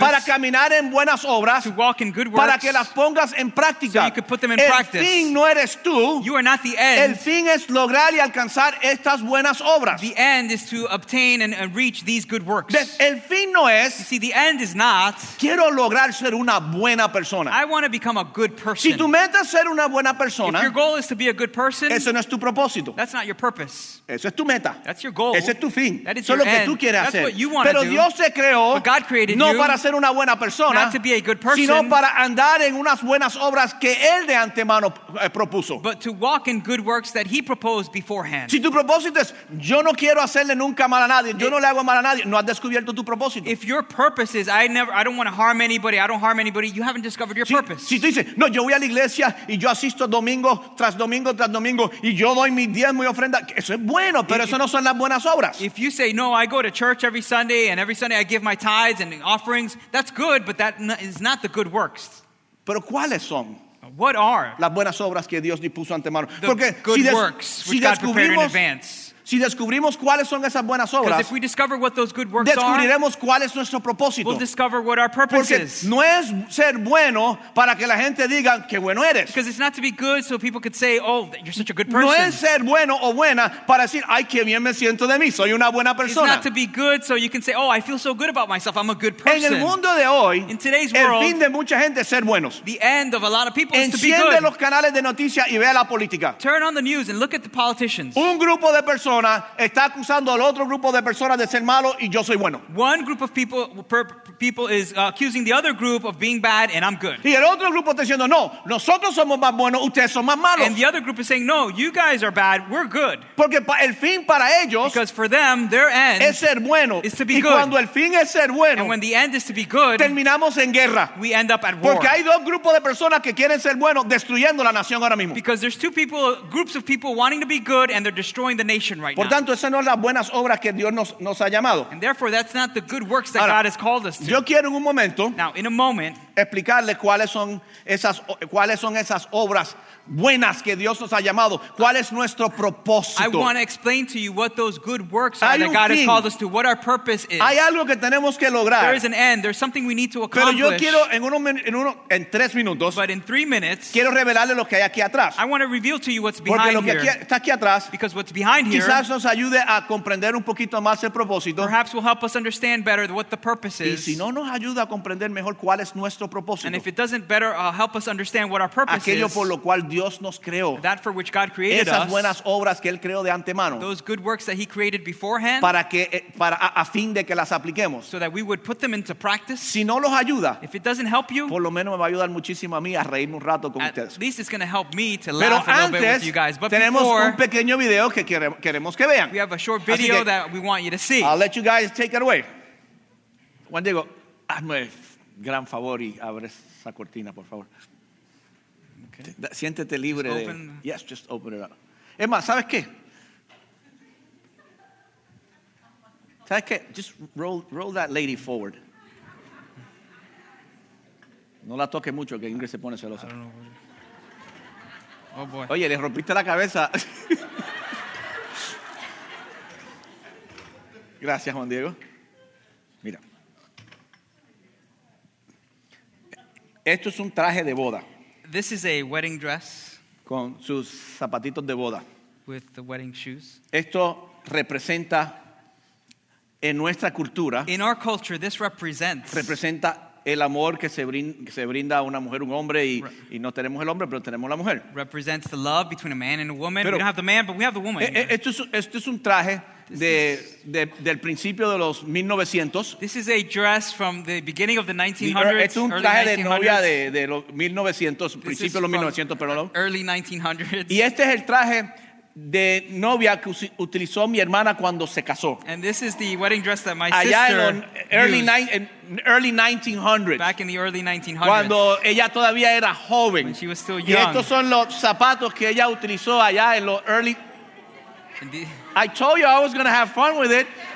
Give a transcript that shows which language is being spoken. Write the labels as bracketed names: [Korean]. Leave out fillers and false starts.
[Spanish] Para caminar en buenas obras. [English] To walk in good works. [Spanish] Para que las pongas en práctica. [English] So you could put them in [Spanish] el [English] practice. [Spanish] El fin no eres tú. [English] You are not the end. [Spanish] El fin es lograr y alcanzar estas buenas obras. [English] The end is to obtain and reach these good works. [Spanish] El fin no es. [English] You see, the end is not. [Spanish] Quiero lograr ser una buena persona. [English] I want to become a good person. [Spanish] Si tu meta es ser una buena persona. [English] If your goal is to be a good person. [Spanish] Eso no es tu propósito. [English] That's not your purpose. [Spanish] Eso es tu meta. [English] That's your goal. [Spanish] Ese es tu fin. [English] That is [Spanish] eso [English] your [Spanish] lo que [English] end. [Spanish] Tú quieres [English] That's [Spanish] hacer. [English] What you want [Spanish] Pero [English] to [Spanish] Dios [English] do, [Spanish] se creó [English] but God created [Spanish] no [English] you [Spanish] para ser una buena persona, [English] not to be a good person, [Spanish] sino para andar en unas buenas obras que Él de antemano propuso. [English] But to walk in good works that He proposed beforehand. [Spanish] Si tu propósito es, yo no quiero hacerle nunca mal a nadie, yo no le hago mal a nadie, no has descubierto tu propósito. [English] If your purpose is, I don't want to harm anybody, you haven't discovered your purpose. [Spanish] Si tú dices, no, yo voy a la iglesia y yo asisto domingo tras domingo y yo doy mi diezmo y ofrenda, eso es bueno, pero eso no son las buenas obras. [English] If you say, no, I go to church every Sunday, and every Sunday I give my tithes and offerings. That's good, but that is not the good works. [Spanish] Pero ¿cuáles son? [English] What are [Spanish] las buenas obras que Dios dispuso antemano? [English] The [Spanish] Porque [English] good [Spanish] si des- [English] works which God prepared in advance. [Spanish] Si descubrimos cuáles son esas buenas obras, [English] if we discover what those good works [Spanish] descubriremos [English] are, [Spanish] cuál es nuestro propósito. [English] We'll discover what our purpose is. [Spanish] No es ser bueno para que la gente diga que bueno eres. [English] Because it's not to be good so people could say, oh, you're such a good person. [Spanish] No es ser bueno o buena para decir, ay, qué bien me siento de mí, soy una buena persona. [English] It's not to be good so you can say, oh, I feel so good about myself, I'm a good person. [Spanish] En el mundo de hoy, [English] in today's [Spanish] el [English] world, [Spanish] fin de mucha gente es ser buenos. [English] The end of a lot of people [Spanish] Enciende [English] is to be good. [Spanish] Enciende los canales de noticias y ve a la política. [English] Turn on the news and look at the politicians. [Spanish] Un grupo de personas está acusando al otro grupo de personas de ser malo y yo soy bueno. [English] One group of people is accusing the other group of being bad and I'm good. [Spanish] Y el otro grupo está diciendo, no, nosotros somos más buenos, ustedes son más malos. [English] And the other group is saying, no, you guys are bad, we're good. [Spanish] Porque el fin para ellos, [English] because for them, their end [Spanish] es ser bueno. [English] Is to be [Spanish] y [English] good. [Spanish] Cuando el fin es ser bueno, [English] and when the end is to be good, [Spanish] terminamos en guerra. [English] We end up at war. [Spanish] Porque hay dos grupos de personas que quieren ser buenos destruyendo la nación ahora mismo. [English] Because there's two people, groups of people wanting to be good and they're destroying the nation right now. [Spanish] Por tanto, esas no son las buenas obras que Dios nos ha llamado. [English] And therefore, that's not the good works that God has called us to. [Spanish] Yo quiero en un momento [English] now, in a moment, [Spanish] explicarles cuáles son esas obras buenas que Dios nos ha llamado. ¿Cuál es nuestro propósito? [English] I want to explain to you what those good works are that God [Spanish] fin. [English] Has called us to, what our purpose is. Hay algo que tenemos que lograr. There is an end. There's something we need to accomplish. [Spanish] Pero yo quiero en tres minutos. [English] But in 3 minutes. [Spanish] Quiero revelarle lo que hay aquí atrás. [English] I want to reveal to you what's behind [Spanish] Porque lo que aquí, [English] here. [Spanish] Está aquí atrás. [English] Because what's behind [Spanish] quizás [English] here. [Spanish] Quizás nos ayude a comprender un poquito más el propósito. [English] Perhaps will help us understand better what the purpose is. [Spanish] Y si no nos ayuda a comprender mejor cuál es nuestro propósito. [English] And if it doesn't better help us understand what our purpose [Spanish] aquello [English] is. [Spanish] Aquello por lo cual Dios nos creó. [English] That for which God created [Spanish] esas [English] us, [Spanish] buenas obras que Él creó de antemano. [English] Those good works that He created beforehand. [Spanish] Para a fin de que las apliquemos. [English] So that we would put them into practice. [Spanish] Si no los ayuda. [English] If it doesn't help you. [Spanish] Por lo menos me va a ayudar muchísimo a mí a reírme un rato con [English] at [Spanish] ustedes. [English] At least it's going to help me to [Spanish] Pero [English] laugh [Spanish] antes, [English] a little bit with you guys. But [Spanish] tenemos [English] before, [Spanish] un pequeño video que queremos que vean. [English] We have a short video [Spanish] que, [English] that we want you to see. I'll let you guys take it away. [Spanish] Juan Diego, hazme gran favor y abre esa cortina, por favor. [English] Okay. [Spanish] Siéntete libre. [English] Just de, yes, just open it up. [Spanish] Es más, ¿sabes qué? ¿Sabes qué? [English] Just roll that lady forward. [Spanish] No la toques mucho, que Ingrid se pone celosa. [English] I don't know. Oh, boy. [Spanish] Oye, le rompiste la cabeza. Gracias, Juan Diego. Mira. Esto es un traje de boda. [English] This is a wedding dress [Spanish] con sus zapatitos de boda. [English] With the wedding shoes. [Spanish] Esto representa en nuestra cultura. [English] In our culture, this represents. [Spanish] Representa el amor que se brinda a una mujer, un hombre, y no tenemos el hombre, pero tenemos la mujer. [English] Represents the love between a man and a woman. [Spanish] Pero, [English] we don't have the man, but we have the woman. [Spanish] Esto es un traje del principio de los 1900. [English] This is a dress from the beginning of the 1900s. [Spanish] Esto es un traje de novia de los 1900, principio de los 1900, perdón. [English] Early 1900s. [Spanish] Y este es el traje de novia que utilizó mi hermana cuando se casó. [English] And this is the wedding dress that my [Spanish] allá [English] sister en early in early 1900s. Back in the early 1900s. [Spanish] Cuando ella todavía era joven. [English] When she was still young. [Spanish] Y estos son los zapatos que ella utilizó allá en los early. [English] I told you I was going to have fun with it.